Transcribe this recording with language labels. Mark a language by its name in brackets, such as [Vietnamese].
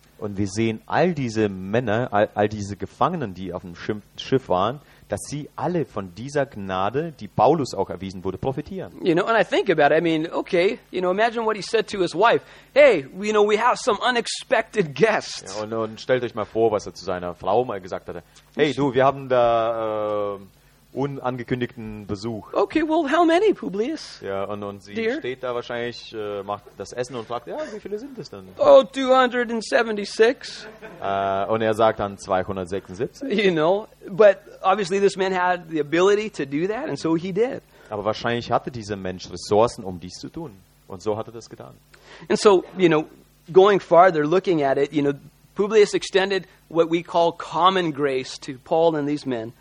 [German] Und wir sehen all diese Männer, all diese Gefangenen, die auf dem Schiff waren, dass sie alle von dieser Gnade, die Paulus auch erwiesen wurde, profitieren. [English] You know, and I think about it. I mean, okay, you know, imagine what he said to his wife. Hey, you know, we have some unexpected guests. [German] Ja, und stellt euch mal vor, was er zu seiner Frau mal gesagt hatte. Hey, du, wir haben da unangekündigten Besuch. [English] Okay, well, how many, Publius? [German] Ja, und sie dear? Steht da wahrscheinlich, macht das Essen und fragt, ja, wie viele sind es denn? [English] Oh, 276. [German] Und er sagt dann 276. [English] You know, but obviously this man had the ability to do that, and so he did. [German] Aber wahrscheinlich hatte dieser Mensch Ressourcen, um dies zu tun. Und so hat er das getan. [English] And so, you know, going farther, looking at it, you know, Publius extended what we call common grace to Paul and these men.